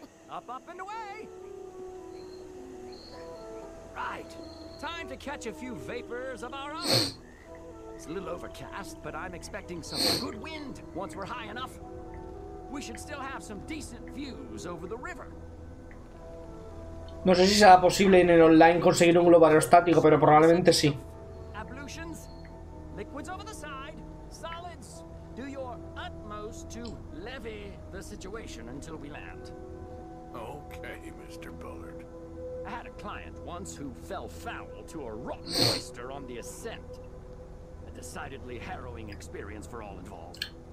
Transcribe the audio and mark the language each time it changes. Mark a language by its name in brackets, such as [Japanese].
[English] Up, up and away. Right. Time to catch a few vapors of our own. It's a little overcast, but I'm expecting some good wind once we're high enough. We should still have some decent views over the river. [Spanish] No sé si será posible en el online conseguir un globo aerostático, pero probablemente sí. [English] Ablutions, liquids over the side, solids. Do your utmost to levy the situation until we land. Okay, Mr. Bullard. I had a client once who fell foul to a rotten oyster on the ascent. A decidedly harrowing experience for all involved.